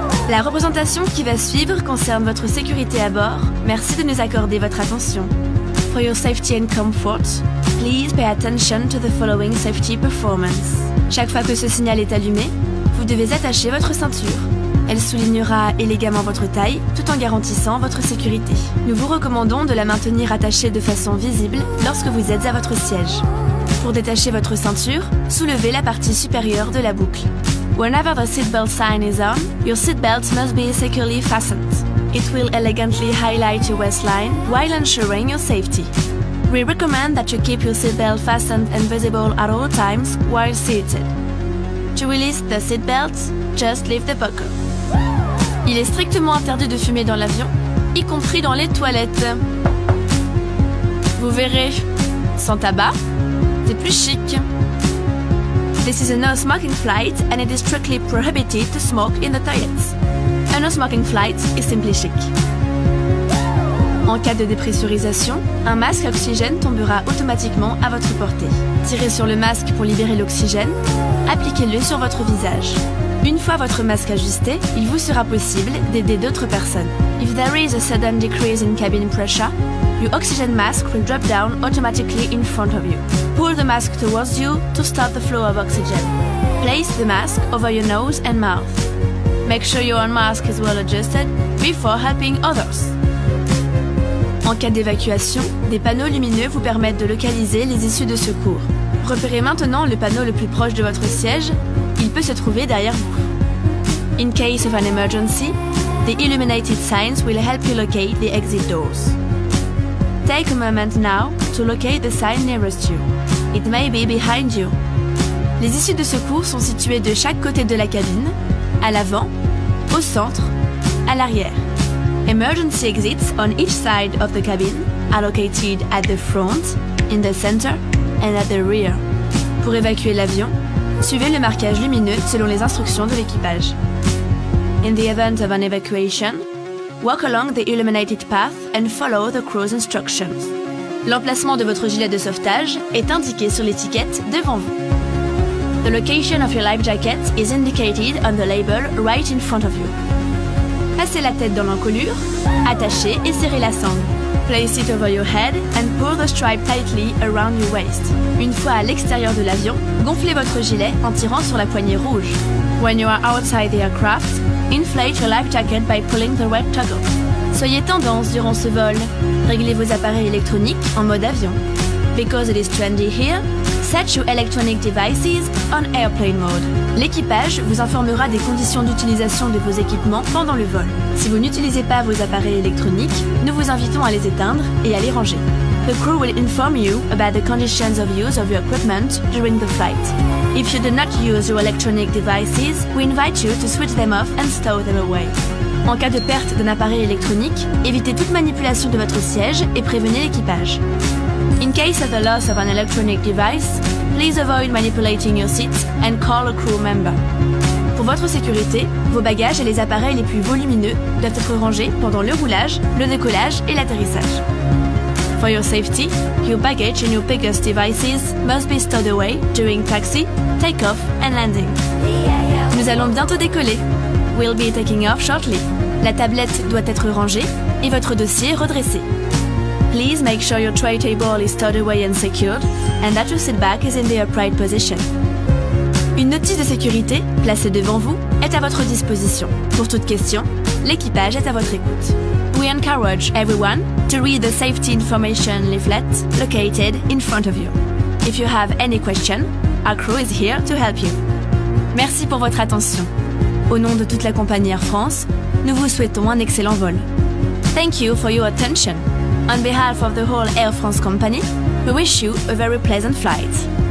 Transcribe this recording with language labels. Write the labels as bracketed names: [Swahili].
[French] La représentation qui va suivre concerne votre sécurité à bord. Merci de nous accorder votre attention. [English] For your safety and comfort, please pay attention to the following safety performance. [French] Chaque fois que ce signal est allumé, vous devez attacher votre ceinture. Elle soulignera élégamment votre taille tout en garantissant votre sécurité. Nous vous recommandons de la maintenir attachée de façon visible lorsque vous êtes à votre siège. Pour détacher votre ceinture, soulevez la partie supérieure de la boucle. [English] Whenever the seatbelt sign is on, your seatbelt must be securely fastened. It will elegantly highlight your waistline while ensuring your safety. We recommend that you keep your seatbelt fastened and visible at all times while seated. To release the seatbelt, just leave the buckle. [French] Il est strictement interdit de fumer dans l'avion, y compris dans les toilettes. Vous verrez, sans tabac, c'est plus chic. [English] This is a no-smoking flight and it is strictly prohibited to smoke in the toilets. A no-smoking flight is simply chic. [French] En cas de dépressurisation, un masque à oxygène tombera automatiquement à votre portée. Tirez sur le masque pour libérer l'oxygène, appliquez-le sur votre visage. Une fois votre masque ajusté, il vous sera possible d'aider d'autres personnes. [English] If there is a sudden decrease in cabin pressure, your oxygen mask will drop down automatically in front of you. Pull the mask towards you to stop the flow of oxygen. Place the mask over your nose and mouth. Make sure your own mask is well adjusted before helping others. [French] En cas d'évacuation, des panneaux lumineux vous permettent de localiser les issues de secours. Repérez maintenant le panneau le plus proche de votre siège. Il peut se trouver derrière vous. [English] In case of an emergency, the illuminated signs will help you locate the exit doors. Take a moment now to locate the sign nearest you. It may be behind you. [French] Les issues de secours sont situées de chaque côté de la cabine, à l'avant, au centre, à l'arrière. [English] Emergency exits on each side of the cabin are located at the front, in the center, and at the rear. [French] Pour évacuer l'avion, suivez le marquage lumineux selon les instructions de l'équipage. [English] In the event of an evacuation, walk along the illuminated path and follow the crew's instructions. [French] L'emplacement de votre gilet de sauvetage est indiqué sur l'étiquette devant vous. [English] The location of your life jacket is indicated on the label right in front of you. [French] Passez la tête dans l'encolure, attachez et serrez la sangle. [English] Place it over your head and pull the stripe tightly around your waist. [French] Une fois à l'extérieur de l'avion, gonflez votre gilet en tirant sur la poignée rouge. [English] When you are outside the aircraft, inflate your life jacket by pulling the red toggle. [French] Soyez tendance durant ce vol. Réglez vos appareils électroniques en mode avion. [English] Because it is trendy here, set your electronic devices on airplane mode. [French] L'équipage vous informera des conditions d'utilisation de vos équipements pendant le vol. Si vous n'utilisez pas vos appareils électroniques, nous vous invitons à les éteindre et à les ranger. [English] The crew will inform you about the conditions of use of your equipment during the flight. If you do not use your electronic devices, we invite you to switch them off and stow them away. [French] En cas de perte d'un appareil électronique, évitez toute manipulation de votre siège et prévenez l'équipage. [English] In case of the loss of an electronic device, please avoid manipulating your seat and call a crew member. [French] Pour votre sécurité, vos bagages et les appareils les plus volumineux doivent être rangés pendant le roulage, le décollage et l'atterrissage. [English] For your safety, your baggage and your biggest devices must be stowed away during taxi, takeoff and landing. [French] Nous allons bientôt décoller. [English] We'll be taking off shortly. [French] La tablette doit être rangée et votre dossier redressé. [English] Please make sure your tray table is stowed away and secured and that your seat back is in the upright position. [French] Une notice de sécurité, placée devant vous, est à votre disposition. Pour toute question, l'équipage est à votre écoute. [English] We encourage everyone to read the safety information leaflet located in front of you. If you have any question, our crew is here to help you. [French] Merci pour votre attention. Au nom de toute la compagnie Air France, nous vous souhaitons un excellent vol. [English] Thank you for your attention. On behalf of the whole Air France company, we wish you a very pleasant flight.